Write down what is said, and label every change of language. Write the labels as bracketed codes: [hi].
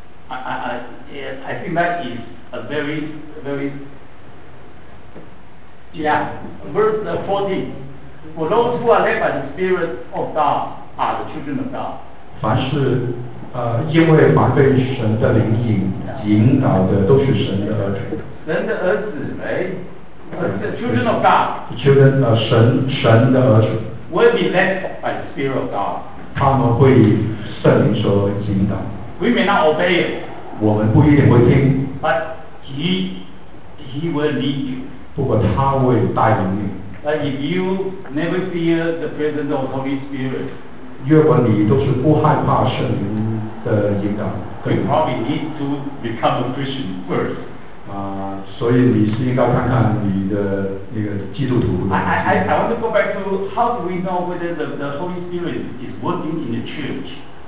[en] I think that is a very, very, yeah, verse 14. For those who are led by the Spirit of God are the children of God. [zh] 凡是因为凡被神的灵引导的都是神的儿女神的儿子 [en] right? Children of God [zh] Children, 神的儿子 [en] will be led by the Spirit of God [zh] 他们会圣灵所引导 [en] we may not obey him [zh] 我们不一定会听 [en] but he will lead you [zh] 不过他会带领你 [en] but if you never fear the presence of Holy Spirit [zh] 如果你都是不害怕圣灵的引导 [en] We probably need to become a Christian first. [zh] 所以你是应该看看你的那个基督徒。 [en] I want to go back to how do we know whether the Holy Spirit is working in the church?